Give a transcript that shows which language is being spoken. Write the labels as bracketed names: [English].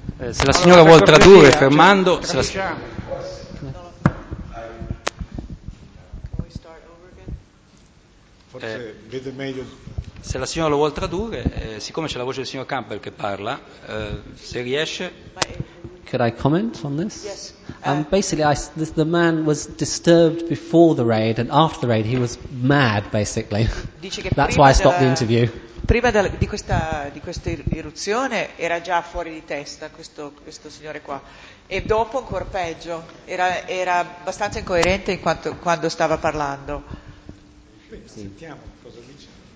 [Italian] Se la signora vuol tradurre, fermando... Se la... Forse vede meglio... Se la signora lo vuol tradurre, siccome c'è la voce del signor Campbell che parla, se riesce... [English] Could I comment on this? Basically, the man was disturbed before the raid, and after the raid he was mad, basically. That's why I stopped the interview. [Italian] Prima di questa irruzione era già fuori di testa questo signore qua, e dopo ancora peggio, era abbastanza incoerente quando stava parlando. Sentiamo cosa dice.